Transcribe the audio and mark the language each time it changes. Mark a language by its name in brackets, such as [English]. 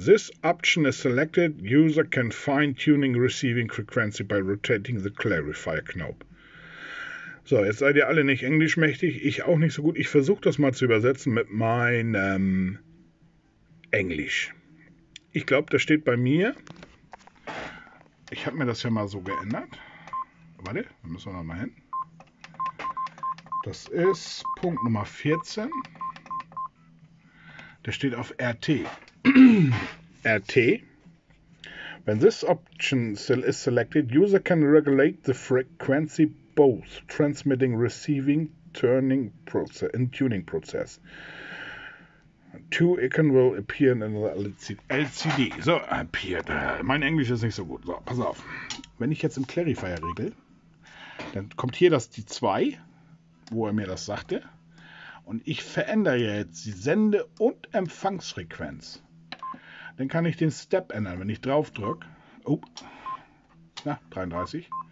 [English] This option is selected. User can fine tuning receiving frequency by rotating the clarifier knob. [German] So, jetzt seid ihr alle nicht englischmächtig. Ich auch nicht so gut. Ich versuche das mal zu übersetzen mit meinem Englisch. Ich glaube, das steht bei mir. Ich habe mir das ja mal so geändert. Warte, da müssen wir nochmal hin. Das ist Punkt Nummer 14. Der steht auf RT. RT. [English] When this option is selected, user can regulate the frequency both transmitting, receiving, turning process and tuning process. Two icon will appear in the LCD. So, appeared. [German] Mein Englisch ist nicht so gut. So, pass auf. Wenn ich jetzt im Clarifier regel, dann kommt hier das die 2, wo er mir das sagte. Und ich verändere jetzt die Sende- und Empfangsfrequenz. dann kann ich den Step ändern, wenn ich drauf drücke. Oh, na, 33.